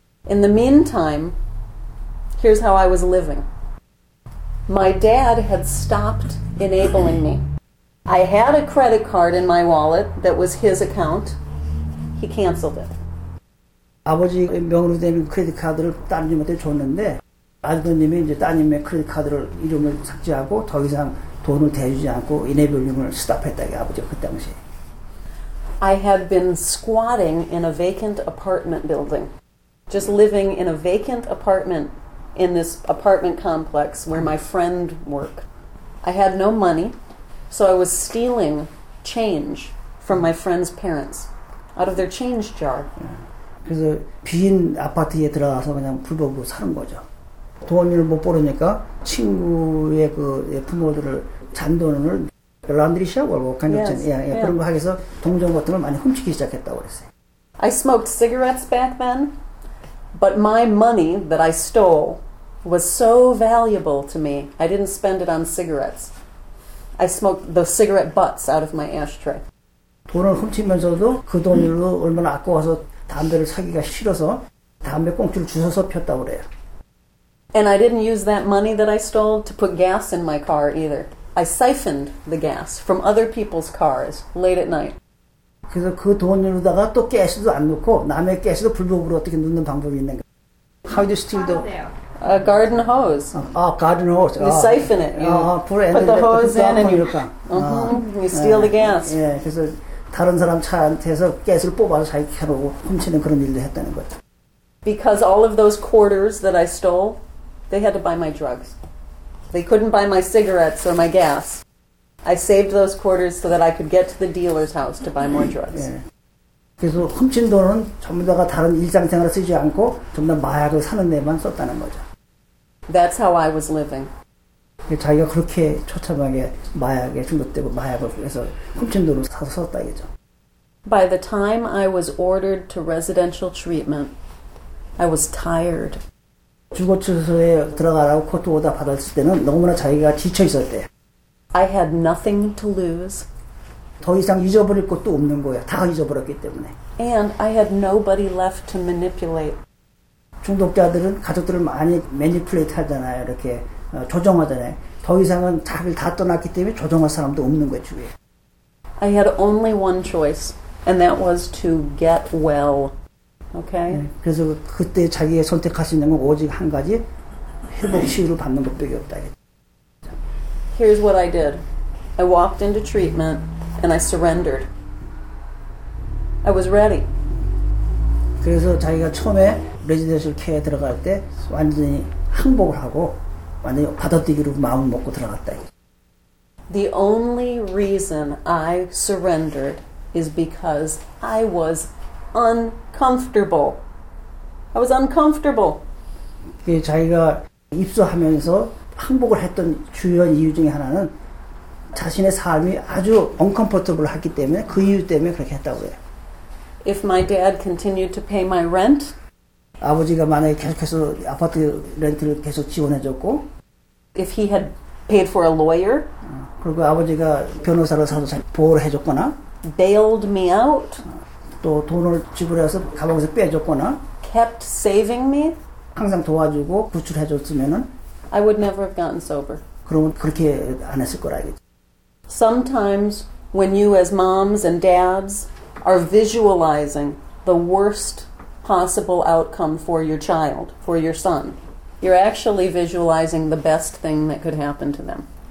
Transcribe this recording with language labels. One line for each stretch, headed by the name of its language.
English: In the meantime, here's how I was living. My dad had stopped enabling me. I had a credit card in my wallet that was his account. He canceled it.
Korean: 아버지 명의로 된 크레딧 카드를 따님한테 줬는데 아드님이 이제 따님의 크레딧 카드를 이름을 삭제하고 더 이상 돈을 대주지 않고 enabling을 스탑했다 이게 아버지 그 당시.
English: I had been squatting in a vacant apartment building. Just living in a vacant apartment in this apartment complex where my friend worked. I had no money, so I was stealing change from my friend's parents out of their change jar.
Korean: 그래서 빈 아파트에 들어가서 그냥 불법으로 사는 거죠. 돈을 못 벌으니까 친구의 그 부모들을 잔돈을 런드리샵 뭐 간접전 그런 거 하기 위해서 동전 같은 걸 많이 훔치기 시작했다고 그랬어요.
English: I smoked cigarettes back then. But my money that I stole was so valuable to me, I didn't spend it on cigarettes. I smoked the cigarette butts out of my ashtray.
Korean: 돈을 훔치면서도 그 돈으로 얼마나 아까워서 담배를 사기가 싫어서 담배 꽁초를 주워서 폈다고 그래요.
English: And I didn't use that money that I stole to put gas in my car either. I siphoned the gas from other people's cars late at night.
Korean: 그래서 그 돈으로다가 또 가스도 안 넣고 남의 가스도 불법으로 어떻게 넣는 방법이 있는가?
English: How do you steal the garden hose? 아, garden hose. You siphon it. You put the hose in and you steal the gas.
Korean: 예, 그래서 다른 사람 차한테서 가스를 뽑아서 자기 차로 훔치는 그런 일도 했다는 거죠.
English: Because all of those quarters that I stole, they had to buy my drugs. They couldn't buy my cigarettes or my gas. I saved those quarters so that I could get to the dealer's house to buy more drugs.
Korean: 예. 그래서 훔친 돈은 전부 다가 다른 일상생활에 쓰지 않고 전부 다 마약을 사는 데만 썼다는 거죠.
English: That's how I was living.
Korean: 자기가 그렇게 처참하게 마약에 중독되고 마약을 해서 훔친 돈을 사서 썼다 이거죠.
English: By the time I was ordered to residential treatment, I was tired.
Korean: 주거치료소에 들어가라고 코트 오다 받았을 때는 너무나 자기가 지쳐 있었대.
English: I had nothing to lose.
Korean: 더 이상 잊어버릴 것도 없는 거야. 다 잊어버렸기 때문에.
English: And I had nobody left to manipulate.
Korean: 중독자들은 가족들을 많이 manipulate 하잖아요. 이렇게 조종하잖아요. 더 이상은 자기를 다 떠났기 때문에 조종할 사람도 없는 거야, 주위에.
English: I had only one choice, and that was to get well.
Korean: Okay? 네, 그래서 그때 자기의 선택할 수 있는 건 오직 한 가지, 회복 치유를 받는 것밖에 없다.
English: Here's what I did. I walked into treatment and I surrendered. I was ready.
Korean: 그래서 자기가 처음에 레지던셜 케어에 들어갈 때 완전히 항복을 하고 완전히 받아들이기로 마음 먹고 들어갔다.
English: The only reason I surrendered is because I was uncomfortable. I was uncomfortable.
Korean: 그 자기가 입소하면서 항복을 했던 주요한 이유 중에 하나는 자신의 삶이 아주 uncomfortable했기 때문에 그 이유 때문에 그렇게 했다고 해요.
English: If my dad continued to pay my rent,
Korean: 아버지가 만약에 계속해서 아파트 렌트를 계속 지원해줬고,
English: if he had paid for a lawyer,
Korean: 그리고 아버지가 변호사를 사서 보호를 해줬거나,
English: bailed me out,
Korean: 또 돈을 지불해서 가방에서 빼줬거나,
English: kept saving me,
Korean: 항상 도와주고 구출해줬으면은,
English: I would never have gotten sober.
Korean: 그러면 그렇게 안 했을 거라 이게.
English: Sometimes when you as moms and dads are visualizing the worst possible outcome for your child, for your son, you're actually visualizing the best thing that could happen to them.